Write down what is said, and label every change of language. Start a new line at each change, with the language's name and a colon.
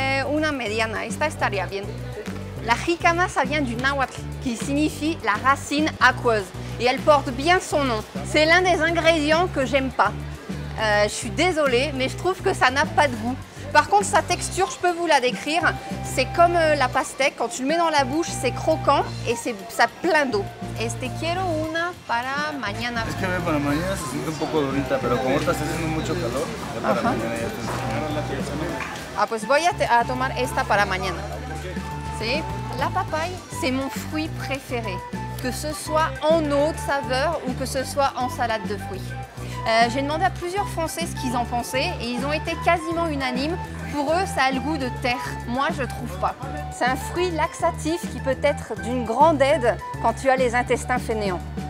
Spanish: Una mediana, esta estaría bien.
French: La jícama, ça vient du náhuatl, qui signifie la racine aqueuse. Et elle porte bien son nom. C'est l'un des ingrédients que j'aime pas. Je suis désolée, mais je trouve que ça n'a pas de goût. Par contre, sa texture, je peux vous la décrire. C'est comme la pastèque. Quand tu le mets dans la bouche, c'est croquant et ça a plein d'eau.
Spanish: Este quiero una para mañana. Es que para mañana se siente un poco durita, pero como está haciendo mucho calor, para mañana ya te enseñaron la pizza. Ah, pues voy a tomar esta para mañana. Sí.
French: La papaya, c'est mon fruit préféré. Que ce soit en eau de saveur ou que ce soit en salade de fruits. J'ai demandé à plusieurs Français ce qu'ils en pensaient et ils ont été quasiment unanimes. Pour eux, ça a le goût de terre. Moi, je trouve pas. C'est un fruit laxatif qui peut être d'une grande aide quand tu as les intestins fainéants.